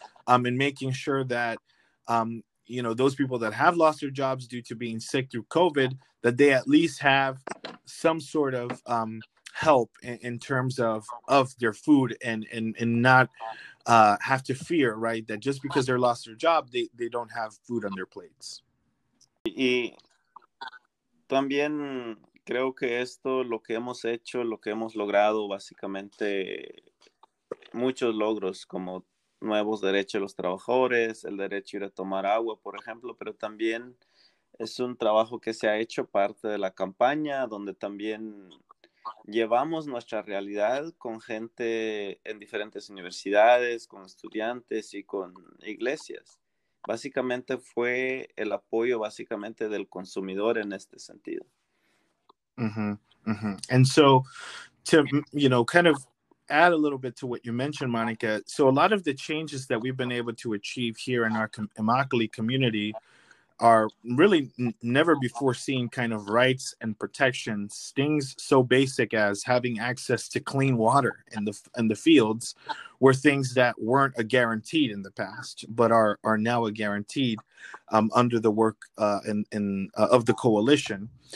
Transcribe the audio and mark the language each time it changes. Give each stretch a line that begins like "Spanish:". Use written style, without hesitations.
English: And making sure that, you know, those people that have lost their jobs due to being sick through COVID, that they at least have some sort of help in terms of their food and not have to fear, right, that just because they lost their job, they don't have food on their plates.
Spanish: Y también creo que esto, lo que hemos hecho, lo que hemos logrado, básicamente muchos logros como nuevos derechos de los trabajadores, el derecho a ir a tomar agua, por ejemplo, pero también es un trabajo que se ha hecho parte de la campaña, donde también llevamos nuestra realidad con gente en diferentes universidades, con estudiantes y con iglesias. Básicamente fue el apoyo básicamente del consumidor en este sentido.
English: And so, to, you know, kind of add a little bit to what you mentioned, Monica. So a lot of the changes that we've been able to achieve here in our Immokalee community are really never before seen kind of rights and protections, things so basic as having access to clean water in the fields were things that weren't a guaranteed in the past, but are now a guaranteed under the work of the coalition.